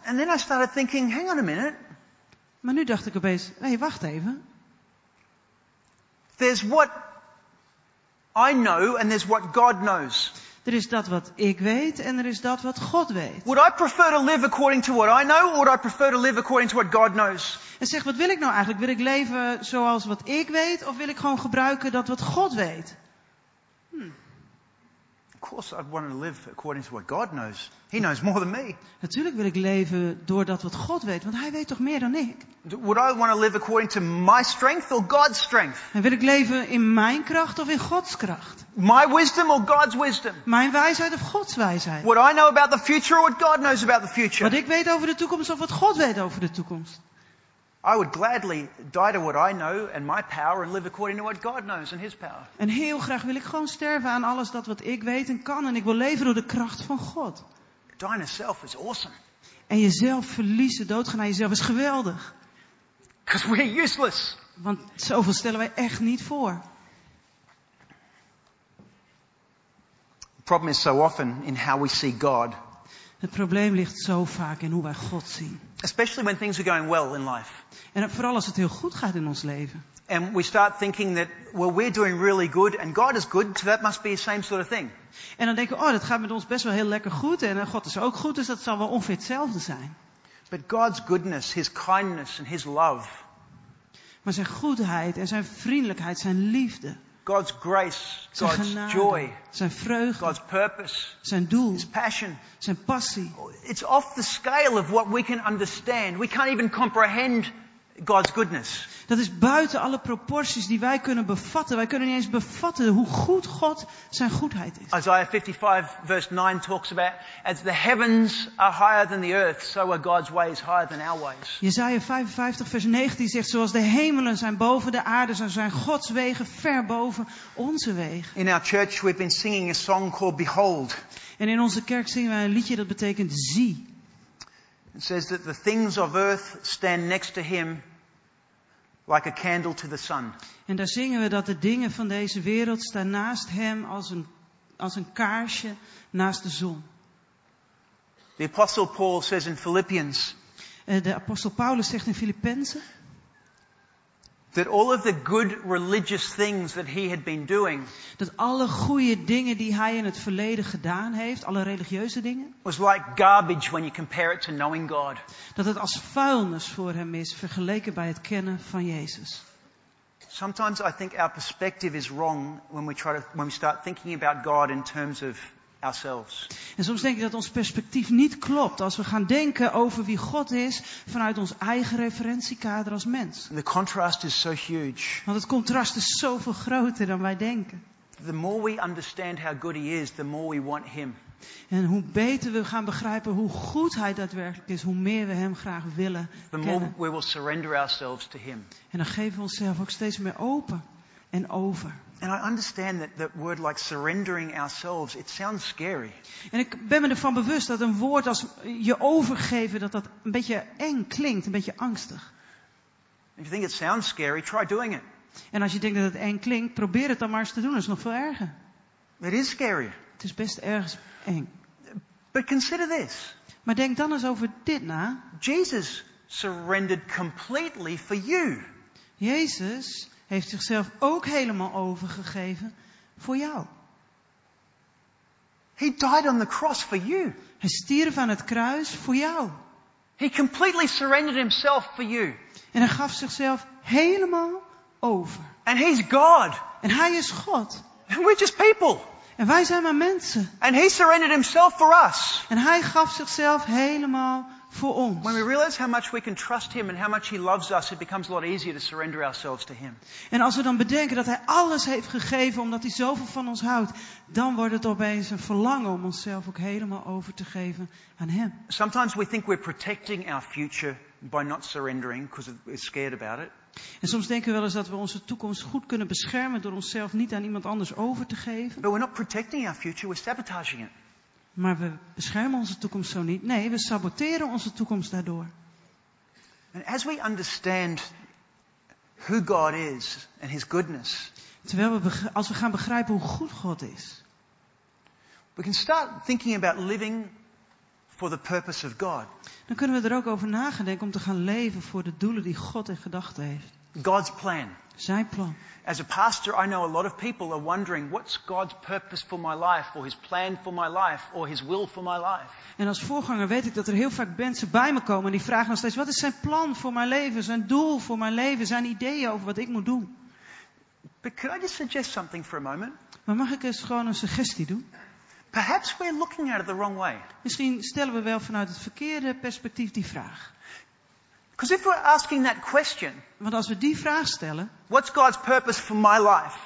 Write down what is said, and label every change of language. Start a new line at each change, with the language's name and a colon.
English: And then I started thinking, hang on a minute.
Dutch: Maar nu dacht ik opeens, hé, hey, wacht even.
English: There's what I know and there's what God knows.
Dutch: Er is dat wat ik weet en er is dat wat God weet.
English: Would I prefer to live according to what I know or would I prefer to live according to what God knows?
Dutch: En zeg, wat wil ik nou eigenlijk? Wil ik leven zoals wat ik weet of wil ik gewoon gebruiken dat wat God weet?
English: Of course I'd want to live according to what God knows. He knows more than me.
Dutch: Natuurlijk wil ik leven door dat wat God weet, want hij weet toch meer dan ik.
English: Would I want to live according to my strength or God's strength?
Dutch: En wil ik leven in mijn kracht of in Gods kracht?
English: My wisdom or God's wisdom?
Dutch: Mijn wijsheid of Gods wijsheid?
English: What I know about the future or what God knows about the future?
Dutch: Wat ik weet over de toekomst of wat God weet over de toekomst?
English: I would gladly die to what I know and my power and live according to what God knows and his power.
Dutch: En heel graag wil ik gewoon sterven aan alles dat wat ik weet en kan en ik wil leven door de kracht van God.
English: Dying to self is awesome.
Dutch: En jezelf verliezen, doodgaan aan jezelf is geweldig.
English: Because we're useless.
Dutch: Want zoveel stellen wij echt niet voor.
English: The problem is so often in how we see God.
Dutch: Het probleem ligt zo vaak in hoe wij God zien.
English: Especially when things are going well in life.
Dutch: En vooral als het heel goed gaat in ons leven.
English: And we start thinking that, well, we're doing really good and God is good, so that must be the same sort of thing.
Dutch: En dan denken we, oh, dat gaat met ons best wel heel lekker goed en God is ook goed, dus dat zal wel ongeveer hetzelfde zijn.
English: But God's goodness, his kindness and his love.
Dutch: Maar zijn goedheid en zijn vriendelijkheid, zijn liefde.
English: God's grace,
Dutch: zijn
English: God's
Dutch: genade,
English: joy,
Dutch: zijn vreugde,
English: God's purpose,
Dutch: zijn doel,
English: his passion,
Dutch: zijn passie.
English: It's off the scale of what we can understand. We can't even comprehend God's goodness.
Dutch: Dat is buiten alle proporties die wij kunnen bevatten. Wij kunnen niet eens bevatten hoe goed God zijn goedheid is.
English: Isaiah 55 verse 9 talks about as the heavens are higher than the earth, so are God's ways higher than our ways.
Dutch: Isaiah 55 verse 19 zegt zoals de hemelen zijn boven de aarde, zo zijn Gods wegen ver boven onze wegen.
English: In our church we've been singing a song called Behold.
Dutch: En in onze kerk zingen wij een liedje dat betekent zie.
English: It says that the things of earth stand next to him like a candle to the sun.
Dutch: En daar zingen we dat de dingen van deze wereld staan naast hem als een kaarsje naast de zon.
English: The apostle Paul says in Philippians.
Dutch: De apostel Paulus zegt in Filippenzen
English: that all of the good religious things that he had been doing,
Dutch: dat alle goede dingen die hij in het verleden gedaan heeft, alle religieuze dingen,
English: was like garbage when you compare it to knowing God.
Dutch: Dat het als vuilnis voor hem is vergeleken bij het kennen van Jezus.
English: Sometimes I think our perspective is wrong when we start thinking about God in terms of ourselves.
Dutch: En soms denk ik dat ons perspectief niet klopt als we gaan denken over wie God is vanuit ons eigen referentiekader als mens.
English: And the contrast is so huge.
Dutch: Want het contrast is zoveel groter dan wij denken.
English: The more we understand how good he is, the more we want him.
Dutch: En hoe beter we gaan begrijpen hoe goed hij daadwerkelijk is, hoe meer we hem graag willen kennen.
English: The more we will surrender ourselves to him.
Dutch: En dan geven we onszelf ook steeds meer open en over.
English: And I understand that word like surrendering ourselves, it sounds scary.
Dutch: En ik ben me ervan bewust dat een woord als je overgeven dat een beetje eng klinkt, een beetje angstig.
English: If you think it sounds scary, try doing it.
Dutch: En als je denkt dat het eng klinkt, probeer het dan maar eens te doen. Dat is nog veel erger.
English: It is scary.
Dutch: Het is best ergens eng.
English: But consider this.
Dutch: Maar denk dan eens over dit na.
English: Jesus surrendered completely for you.
Dutch: Jezus heeft zichzelf ook helemaal overgegeven voor jou.
English: He died on the cross for you.
Dutch: Hij stierf aan het kruis voor jou.
English: He completely surrendered himself for you.
Dutch: En hij gaf zichzelf helemaal over.
English: And he's God.
Dutch: En hij is God.
English: And we're just people.
Dutch: En wij zijn maar mensen.
English: And he surrendered himself for us.
Dutch: En hij gaf zichzelf helemaal over. Voor ons.
English: When we realize how much we can trust him and how much he loves us, it becomes a lot easier to surrender ourselves to him.
Dutch: En als we dan bedenken dat hij alles heeft gegeven omdat hij zoveel van ons houdt, dan wordt het opeens een verlangen om onszelf ook helemaal over te geven aan hem.
English: Sometimes we think we're protecting our future by not surrendering because we're scared about it.
Dutch: En soms denken we wel eens dat we onze toekomst goed kunnen beschermen door onszelf niet aan iemand anders over te geven.
English: But we're not protecting our future, we're sabotaging it.
Dutch: Maar we beschermen onze toekomst zo niet. Nee, we saboteren onze toekomst daardoor.
English: And as we understand who God is and his goodness,
Dutch: terwijl we als we gaan begrijpen hoe goed God is,
English: we can start thinking about living for the purpose of God.
Dutch: Dan kunnen we er ook over nagedenken om te gaan leven voor de doelen die God in gedachten heeft.
English: God's plan.
Dutch: Zijn plan.
English: As a pastor, I know a lot of people are wondering, what's God's purpose for my life, or his plan for my life, or his will for my life?
Dutch: En als voorganger weet ik dat er heel vaak mensen bij me komen en die vragen nog steeds, wat is zijn plan voor mijn leven, zijn doel voor mijn leven, zijn ideeën over wat ik moet doen?
English: But could I just suggest something for a moment?
Dutch: Maar mag ik eens gewoon een suggestie doen?
English: Perhaps we're looking at it the wrong way.
Dutch: Misschien stellen we wel vanuit het verkeerde perspectief die vraag.
English: Because if we're asking that question,
Dutch: want als we die vraag stellen,
English: what's God's purpose for my life?